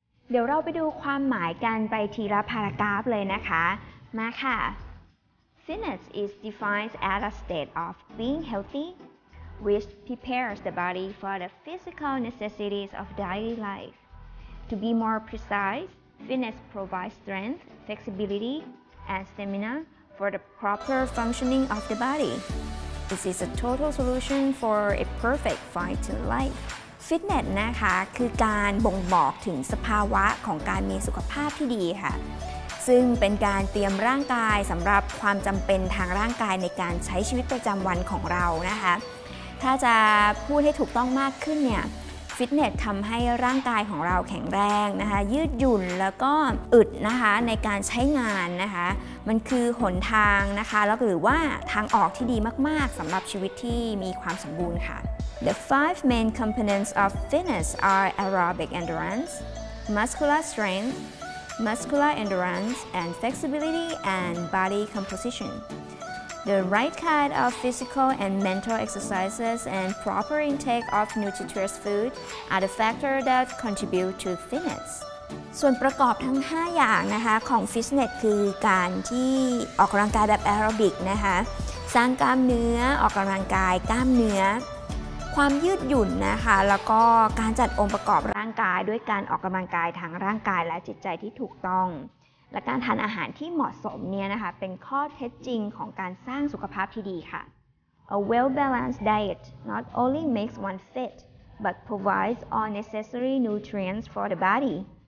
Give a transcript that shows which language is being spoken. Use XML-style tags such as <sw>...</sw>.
<th>เดี๋ยวเราไปดูความหมายกันไปทีละพารากราฟเลยนะคะมาค่ะ</th> <en>Fitness is defined as a state of being healthy, which prepares the body for the physical necessities of daily life. To be more precise, fitness provides strength, flexibility, and stamina for the proper functioning of the body. This is a total solution for a perfect fine-tuned life.</en> <th>Fitness นะคะคือการบ่งบอกถึงสภาวะของการมีสุขภาพที่ดีค่ะซึ่งเป็นการเตรียมร่างกายสำหรับความจำเป็นทางร่างกายในการใช้ชีวิตประจำวันของเรานะคะ ถ้าจะพูดให้ถูกต้องมากขึ้นเนี่ยฟิตเนสทำให้ร่างกายของเราแข็งแรงนะคะยืดหยุ่นแล้วก็อึดนะคะในการใช้งานนะคะมันคือหนทางนะคะแล้วหรือว่าทางออกที่ดีมากๆสำหรับชีวิตที่มีความสมบูรณ์ค่ะ</th> <en>The five main components of fitness are aerobic endurance, muscular strength, muscular endurance and flexibility and body composition. The right kind of physical and mental exercises and proper intake of nutritious food are the factors that contribute to fitness.</en> <th>ส่วนประกอบทั้ง5อย่างนะคะของฟิตเนสคือการที่ออกกำลังกายแบบแอโรบิกนะคะสร้างกล้ามเนื้อออกกำลังกายกล้ามเนื้อความยืดหยุ่นนะคะแล้วก็การจัดองค์ประกอบร่างกายด้วยการออกกำลังกายทางร่างกายและจิตใจที่ถูกต้องและการทานอาหารที่เหมาะสมเนี่ยนะคะเป็นข้อเท็จจริงของการสร้างสุขภาพที่ดีค่ะ</th> <en>A well-balanced diet not only makes one fit but provides all necessary nutrients for the body.</en>